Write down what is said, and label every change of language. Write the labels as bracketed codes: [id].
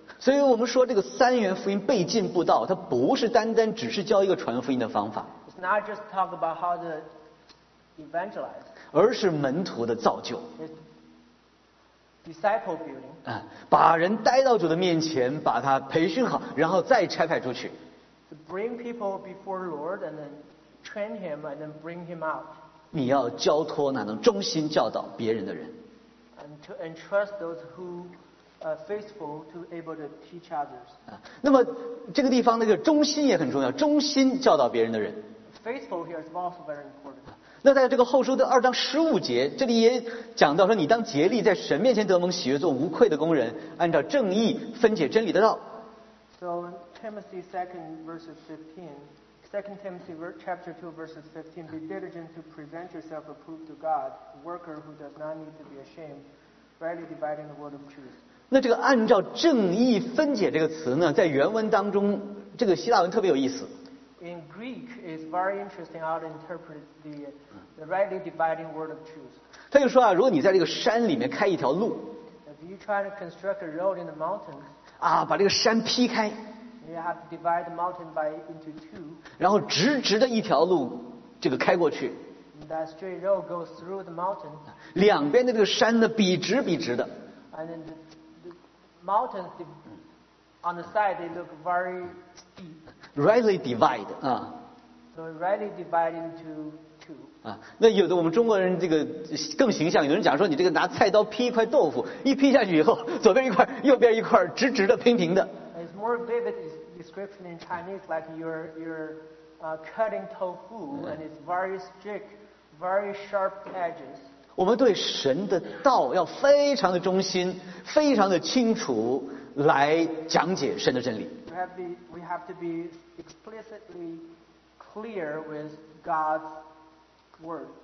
[zh] 所以我们说这个三元福音被进步道，它不是单单只是教一个传福音的方法。 [en] It's not just talk about how to evangelize. [zh] 而是门徒的造就。 [en] Disciple building. [zh] 把人带到主的面前，把他培训好，然后再差派出去。 [en] To bring people before the Lord and then train him and then bring him out. [zh] 你要交托哪能忠心教导别人的人。 [en] And to entrust those who are faithful to able to teach others. [zh] 那么这个地方那个忠心也很重要，忠心教导别人的人。 [en] Faithful here is also very important. [zh] 那在这个后书的二章十五节，这里也讲到说，你当竭力在神面前得蒙喜悦，做无愧的工人，按照正义分解真理的道。 [en] So Timothy second verses 15, Second Timothy chapter 2 verses 15, be diligent to present yourself approved to God, a worker who does not need to be ashamed, rightly dividing the word of truth. [zh] 那这个按照正义分解这个词呢，在原文当中，这个希腊文特别有意思。 [en] In Greek, it's very interesting how to interpret the rightly dividing word of truth. [zh] 他就说啊，如果你在这个山里面开一条路， [en] if you try to construct a road in the mountains, [zh] 啊，把这个山劈开， [en] you have to divide the mountain by into two. [zh] 然后直直的一条路这个开过去， [en] that straight road goes through the mountain. [zh] 两边的这个山呢，笔直笔直的， [en] and then the mountains on the side they look very steep. Rightly divide 啊、 so rightly divide into two [zh] 啊，那有的我们中国人这个更形象，有人讲说你这个拿菜刀劈一块豆腐，一劈下去以后，左边一块，右边一块，直直的，平平的。 [en] It's more vivid description in Chinese, like you're cutting tofu, and it's very strict, very sharp edges. [zh] 我们对神的道要非常的忠心，非常的清楚来讲解神的真理。 [en] We have to be explicitly clear with God's word.